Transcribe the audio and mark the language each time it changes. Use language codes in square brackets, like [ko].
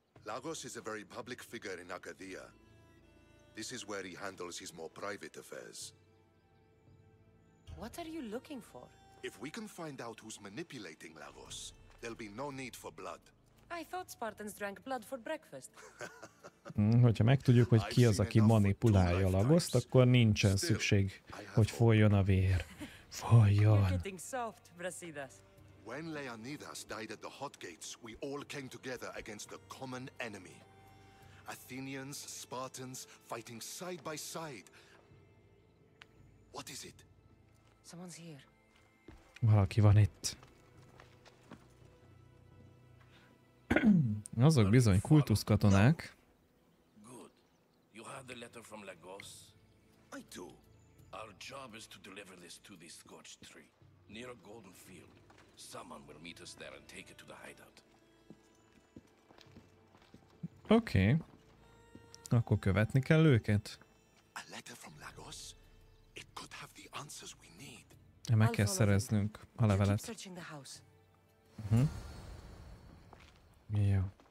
[en] Lagos is a very public figure in Arcadia. This is where he handles his more private affairs. What are you looking for? If we can find out who's manipulating Lagos, there'll be no need for blood. I thought Spartans drank blood for breakfast. [hu] Hogyha megtudjuk, hogy ki az, aki manipulálja Lagost, akkor nincsen szükség, hogy folyjon a vér. Fajon. [en] Getting soft, Brasidas. When Leonidas died at the Hot Gates, we all came together against a common enemy. Athenians, Spartans, fighting side by side. What is it? Someone's here. [hu] Valaki van itt. Azok bizony kultuszkatonák. [en] Good. You have the letter from Lagos? I do. Our job is to deliver this to the scorched tree, near a golden field. Someone will meet us there and take it to the hideout. Okay. [hu] Akkor követni kell őket. [en] A letter from Lagos? It could have the answers we need. [hu] Meg kell szereznünk a levelet. Jó.